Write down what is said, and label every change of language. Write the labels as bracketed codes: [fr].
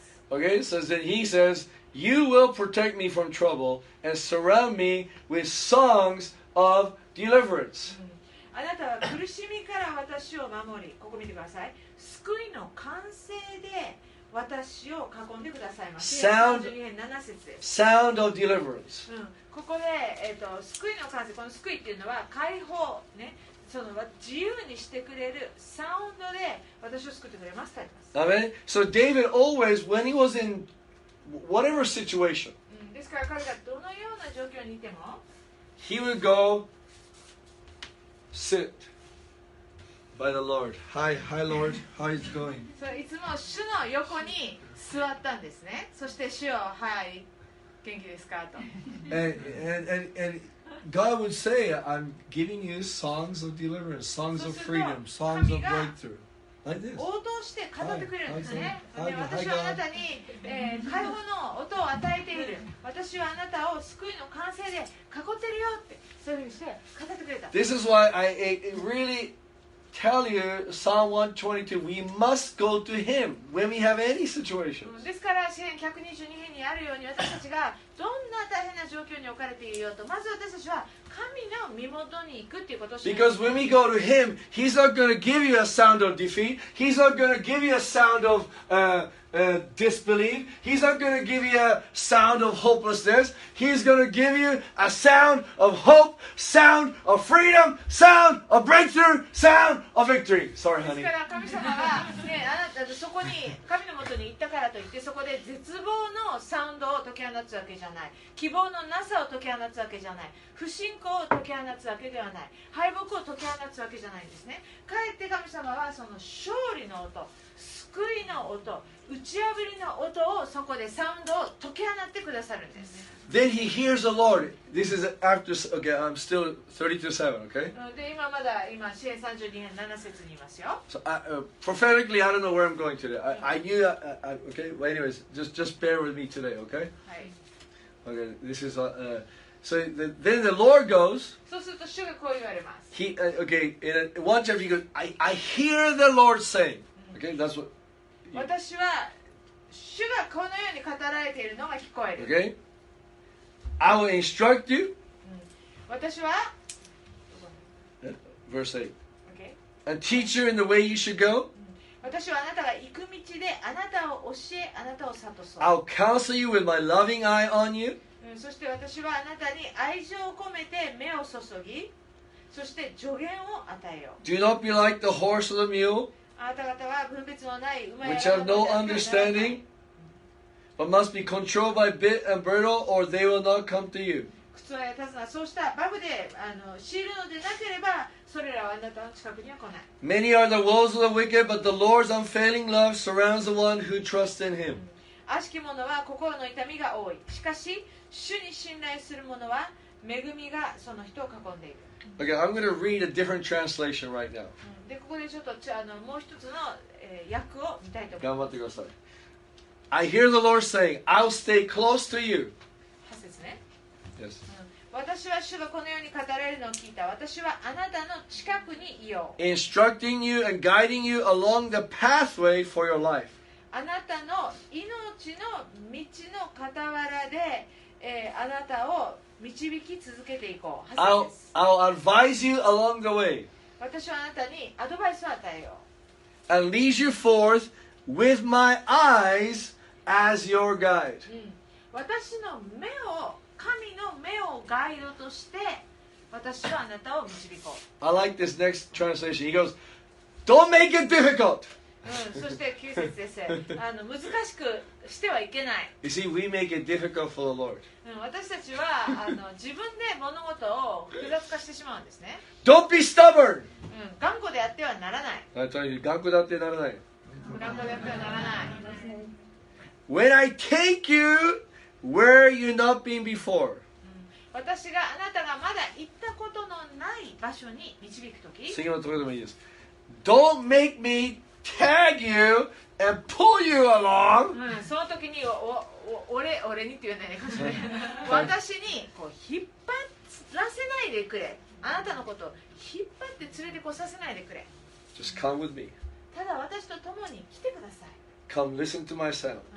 [en] Okay, so then he says,You will protect me from trouble and surround me with songs of deliverance. [ja] あなたは苦しみから私を守り、ここ見てください。救いの歓声で私を囲んでくださいます。 [en] Sound, [ja] 32編7節です。 [en] Sound of deliverance. [ja] ここで、救いの歓声、この救いっていうのは解放、ね、その自由にしてくれるサウンドで私を救ってくれますとあります。 [en] Amen. So David always, when he was in whatever situation. [ja] ですから彼がどのような状況にいても [en] He would go sit by the Lord. Hi, hi Lord. How is it going? [ja] そういつも主の横に座ったんですね。そして主をはい、元気ですかと。 [en] And God would say, I'm giving you songs of deliverance, songs of freedom, songs of breakthrough. [ja] 応答して語ってくれるんですね。私はあなたに、解放の音を与えている。私はあなたを救いの歓声で囲ってるよって、そういうふうにして語ってくれた。 [en] This is why I it really tell you Psalm 122, we must go to him when we have any situation. [ja] ですから詩篇122編にあるように私たちがどんな大変な状況に置かれているよと、まず私たちは神の身元に行くっていうことを。 [en] Because when we go to him, he's not going to give you a sound of defeat. He's not going to give you a sound of disbelief. He's not going to give you a sound of hopelessness. He's going to give you a sound of hope, sound of freedom, sound of breakthrough, sound of victory. Sorry, honey. [ja] ですから神様は、ね、あなたそこに神の元に行ったからといって、そこで絶望のサウンドを解き放つわけじゃない。希望のなさを解き放つわけじゃない。不信仰を解き放つわけではない。敗北を解き放つわけじゃないんですね。かえって神様はその勝利の音、救いの音、打ち破りの音をそこでサウンドを解き放ってくださるんです。 [en] Then he hears the Lord. This is after, okay, I'm still 32:7, okay? [ja] で、今まだ、今、詩篇32編7節にいますよ。 [en] So, prophetically, I don't know where I'm going today. I knew, okay? Well, anyways, just bear with me today, okay? [ja] はい。 [en] Okay, this is, So then the Lord goes. [ja] そうすると主がこう言われます。 [en] He, okay, in one chapter he goes, I hear the Lord saying. Okay, that's what. [ja] 私は主がこのように語られているのが聞こえる。 [en] Okay. I will instruct you. [ja] 私は。 [en] Verse 8. Okay. And teach you in the way you should go. [ja] 私はあなたが行く道であなたを教え、あなたを諭そう。 [en] I'll counsel you with my loving eye on you. [ja] そして私はあなたに愛情を込めて目を注ぎ、そして助言を与えよう。 [en] Do not be like the horse or the mule. [ja] あなた方は分別のない馬や [en] which have no understanding, but must be controlled by bit and bridle, or they will not come to you. [ja] 靴は立つな、そうしたバグで、強いるのでなければ、それらはあなたの近くには来ない。 [en] Many are the woes of the wicked, but the Lord's unfailing love surrounds the one who trusts in him. [ja] 悪しき者は心の痛みが多い。しかし、主に信頼する者は恵みがその人を囲んでいる。 [en] Okay, I'm going to read a different translation right now. [ja] で、ここでちょっと、もう一つの、訳を見たいと思います。頑張ってください。 [en] I hear the Lord saying, I'll stay close to you. [ja] 八節ね。 [en] Yes. [ja] 私は主がこのように語られるのを聞いた。私はあなたの近くにいよう。 [en] Instructing you and guiding you along the pathway for your life. [ja] あなたの命の道の傍らで、あなたを導き続けていこう。 8節。 [en] I'll advise you along the way. [ja] 私はあなたにアドバイスを与えよう。 [en] And lead you forth with my eyes as your guide.、 [ja] うん、私の目を、神の目をガイドとして、私はあなたを導こう。 [en] I like this next translation. He goes, Don't make it difficult! 、 [ja] うん、そして9節先生、難しくしてはいけない。 [en] You see, we make it difficult for the Lord. [ja] 私たちは自分で物事を複雑化してしまうんですね。 [en] Don't be stubborn!、 [ja] うん、頑固であってはならない。頑固だってならない。頑固であってはならない。 [en] When I take you where you've not been before,、 [ja] うん、私があなたがまだ行ったことのない場所に導くとき、次のところでもいいです。 [en] Don't make me tag you and pull you along!、 [ja] うん、その時に俺にって言うんだよね。私にこう引っ張らせないでくれ。あなたのことを引っ張って連れてこさせないでくれ。 [en] Just come with me. [ja] ただ私と共に来てください。 [en] Come listen to my sound.